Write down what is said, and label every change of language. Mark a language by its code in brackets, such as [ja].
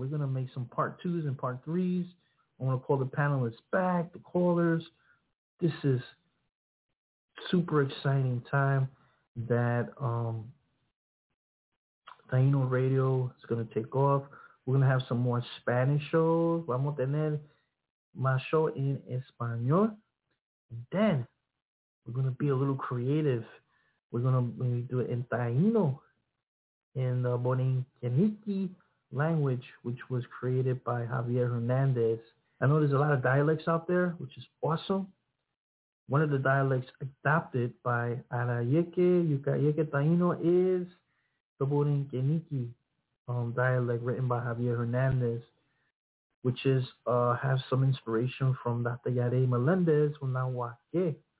[en] We're going to make some part twos and part threes. I want to call the panelists back, the callers. This is super exciting time that Taino Radio is going to take off. We're going to have some more Spanish shows. [es] Vamos a tener más show en español. [en] And then we're going to be a little creative. We're going to do it in Taino, in Borinqueniki, language, which was created by Javier Hernandez. I know there's a lot of dialects out there, which is awesome. One of the dialects adopted by Arayeke Yucayeque Taino is the Borinqueniki dialect written by Javier Hernandez, which is has some inspiration from Datayare Melendez from Nahuake.